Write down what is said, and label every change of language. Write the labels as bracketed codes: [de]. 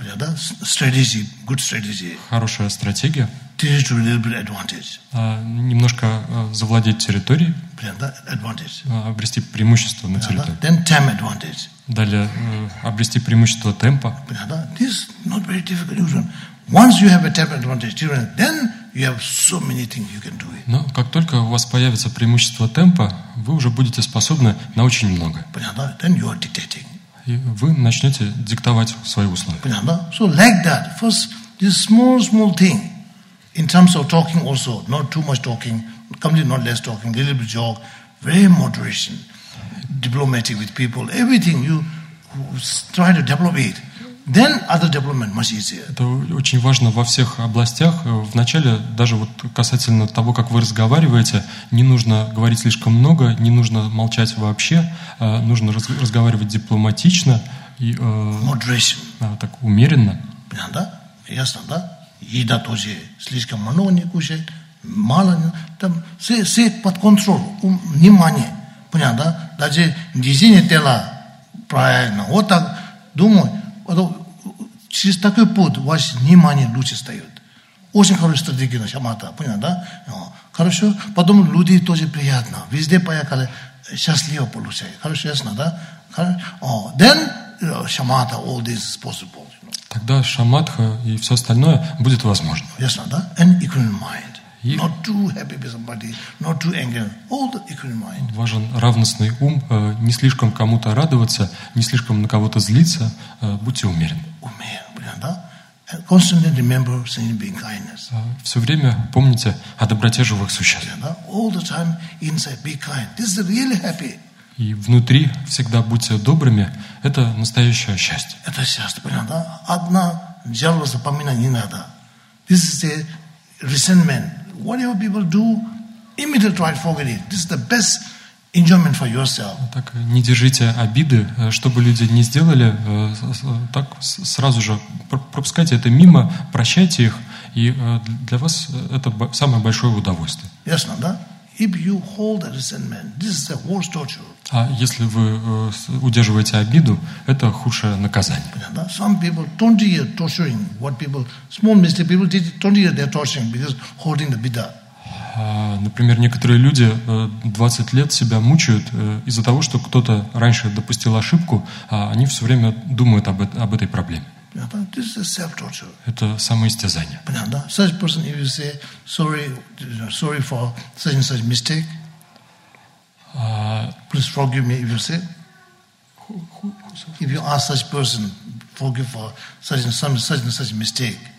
[ru] Да? [en] Strategy, good strategy. [ru] Хорошая стратегия. [en] Territory, little bit advantage. [ru] Немножко завладеть территорией. Да? [en] Advantage. [ru] Обрести преимущество на территории. Да? [en] Then time advantage. [ru] Далее обрести преимущество темпа. Да? [en] This is not very difficult. Once you have a time advantage, then you have so many things you can do. [ru] Но как только у вас появится преимущество темпа, вы уже будете способны на очень многое. Понятно? [en] Then you are dictating. [ru] И вы начнете диктовать свои условия. Понятно? [en] So like that. First, this small thing. In terms of talking also, not too much talking, completely not less talking, little bit joke, very moderation, diplomatic with people, everything you try to develop it. Then other development much easier. [ru] Это очень важно во всех областях. Вначале, даже вот касательно того, как вы разговариваете, не нужно говорить слишком много, не нужно молчать вообще, нужно разговаривать дипломатично и так умеренно. Понятно, да? Ясно, да? Еда тоже слишком много не кушать, мало не... Там все под контроль, внимание. Понятно, да? Даже движение тела правильно. Вот так думаю. Через такой путь ваше внимание лучше встает. Очень хорошая стратегия на шамата, понятно, да? Хорошо. Потом люди тоже приятно. Везде поехали, счастливо получают. Хорошо, ясно, да? [en] Then шамата, all this is possible. [ru] Тогда шаматха и все остальное будет возможно. Ясно, да? [en] And equilibrium mind. Not too happy with somebody, not too angry. All the equilibrium mind. [ru] Важен равностный ум, не слишком кому-то радоваться, не слишком на кого-то злиться, будьте умерен. Умерен, понятно, да? [en] And constantly remember sending being kindness. [ru] Все время помните о доброте живых существ. Понятно, да? [en] All the time inside be kind. This is really happy. [ru] И внутри всегда будьте добрыми. Это настоящее счастье. Это счастье, понятно, да? Одна жалоба запоминать не надо. [en] This is the resentment. Whatever people do, immediately try to forget it. This is the best enjoyment for yourself. [ru] Так, не держите обиды. Что бы люди ни сделали, так сразу же пропускайте это мимо, прощайте их. И для вас это самое большое удовольствие. Ясно, да? [en] If you hold a resentment, this is the worst torture. [ru] А если вы удерживаете обиду, это худшее наказание. [en] Some people 20 years torturing what people small mistake people did 20 years they're torturing because holding the bitter. [ru] Например, некоторые люди 20 лет себя мучают из-за того, что кто-то раньше допустил ошибку, а они все время думают об этой проблеме. [en] This is self-torture. [ru] Это самоистязание. [en] Such person, if you say sorry for such and such mistake, please forgive me, if you say. If you ask such person, forgive for such and such mistake.